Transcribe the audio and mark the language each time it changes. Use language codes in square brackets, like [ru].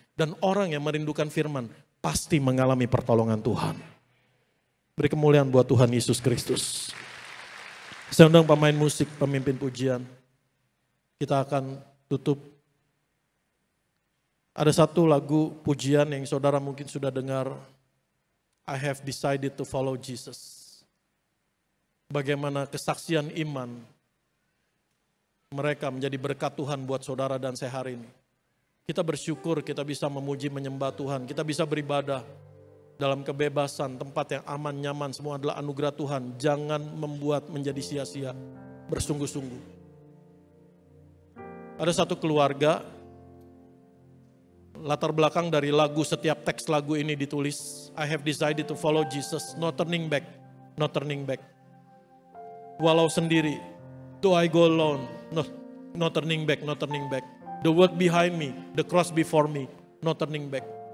[id] Dan orang yang merindukan firman pasti mengalami pertolongan Tuhan. Beri kemuliaan buat Tuhan Yesus Kristus. Saya undang pemain musik, pemimpin pujian. Kita akan tutup. Ada satu lagu pujian yang saudara mungkin sudah dengar. [en] I have decided to follow Jesus. [id] Bagaimana kesaksian iman mereka menjadi berkat Tuhan buat saudara dan saya hari ini. Kita bersyukur kita bisa memuji, menyembah Tuhan. Kita bisa beribadah dalam kebebasan, tempat yang aman, nyaman. Semua adalah anugerah Tuhan. Jangan membuat menjadi sia-sia. Bersungguh-sungguh. Ada satu keluarga. Latar belakang dari lagu, setiap teks lagu ini ditulis. [en] I have decided to follow Jesus. No turning back. No turning back. [id] Walau sendiri. [en] Do I go alone? No, no turning back. No turning back. The world behind me, the cross before me, no turning back.